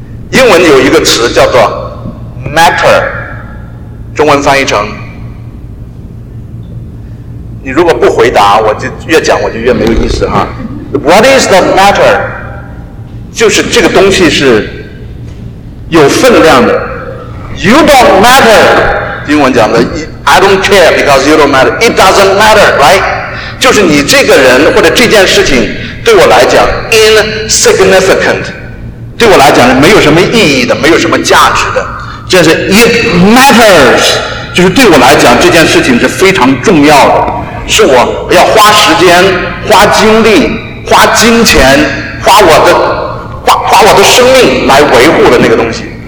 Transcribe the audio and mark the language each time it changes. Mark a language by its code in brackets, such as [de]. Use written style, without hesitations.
[zh] 英文有一个词叫做 matter， 中文翻译成，你如果不回答我就越讲我就越没有意思哈。 [en] What is the matter？ [zh] 就是这个东西是有分量的。 [en] You don't matter， [zh] 英文讲的 [en] I don't care because you don't matter， it doesn't matter， right？ [zh] 就是你这个人或者这件事情对我来讲 insignificant，对我来讲是没有什么意义的，没有什么价值的，这是 [en] it matters， [zh] 就是对我来讲这件事情是非常重要的，是我要花时间花精力花金钱花我的生命来维护的那个东西。